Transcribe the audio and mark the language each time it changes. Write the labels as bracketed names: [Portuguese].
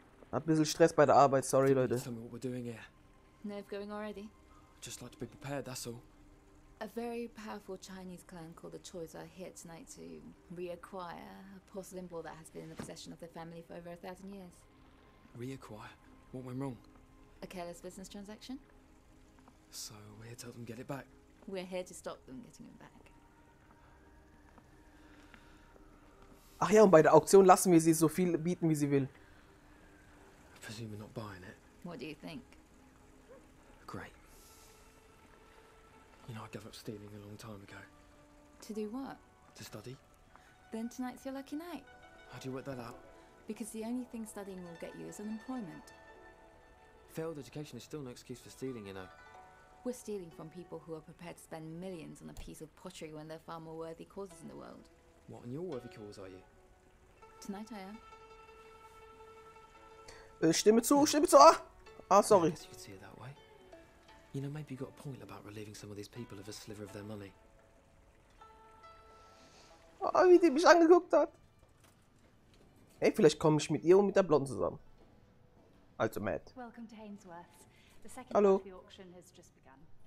[German] Hab ein bisschen Stress bei der Arbeit, sorry Leute. [English] Tell me what we're doing here. Nerve going already? I'd just like to be prepared, that's all. A very powerful Chinese clan called the Choys are here tonight to reacquire a porcelain ball that has been in the possession of their family for over 1,000 years. Reacquire? What went wrong? A careless business transaction. So we're here to help them get it back? We're here to stop them getting it back. [German] Ach ja, und bei der Auktion lassen wir sie so viel bieten, wie sie will. [English] I presume we're not buying it. What do you think? Great. You know, I gave up stealing a long time ago. To do what? To study. Then tonight's your lucky night. How do you work that out? Because the only thing studying will get you is unemployment. Failed education is still no excuse for stealing, you know. We're stealing from people who are prepared to spend millions on a piece of pottery when there are far more worthy causes in the world. What on your worthy cause are you? Tonight I am. [German] Stimme zu. Ah, sorry. [English] Yeah, I guess you could see it that way. You know, maybe you got a point about relieving some of these people of a sliver of their money. [German] Oh, wie die mich angeguckt hat. Hey, vielleicht komme ich mit ihr und mit der Blonde zusammen. Also, Matt. [English] Welcome to Haynesworth. The second part of the auction has just begun.